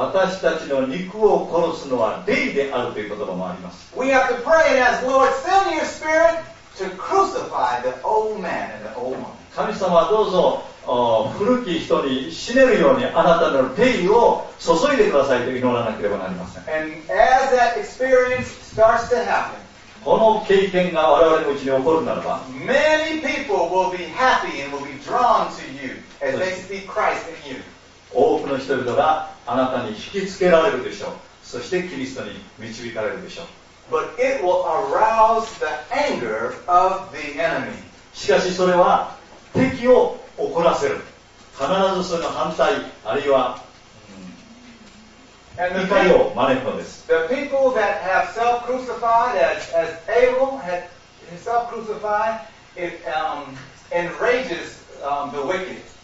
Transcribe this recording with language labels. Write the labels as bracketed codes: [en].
[ja] 私たちの肉を殺すのは霊であるという言葉もあります。 [en] We have to pray and ask, Lord, send your spirit to crucify the old man and the old woman. [ja] 神様どうぞ、古き人に死ねるようにあなたの霊を注いでくださいと祈らなければなりません。 [en] And as that experience starts to happen, [ja] この経験が我々のうちに起こるならば、 [en] Many people will be happy and will be drawn to you as they see Christ in you. [ja] 多くの人々があなたに引きつけられるでしょう。そしてキリストに導かれるでしょう。 [en] But it will arouse the anger of the enemy. [ja] しかしそれは敵を怒らせる。必ずその反対、あるいは、 [en] And the people that have self-crucified, as Abel had himself crucified, it enrages the wicked.